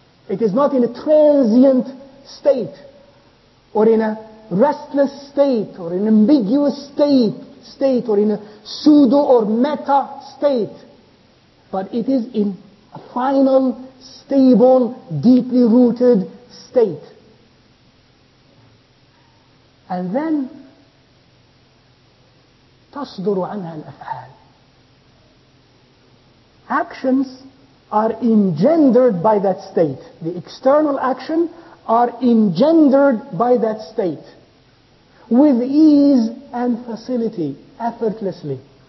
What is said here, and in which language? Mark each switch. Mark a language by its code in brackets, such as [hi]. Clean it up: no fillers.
[en] It is not in a transient state, or in a restless state, or in an ambiguous state, or in a pseudo or meta state. But it is in a final, stable, deeply rooted state. And then, [ar] تَصْدُرُ عَنْهَا الْأَفْعَالِ. [en] Actions are engendered by that state. The external action are engendered by that state. With ease and facility, effortlessly.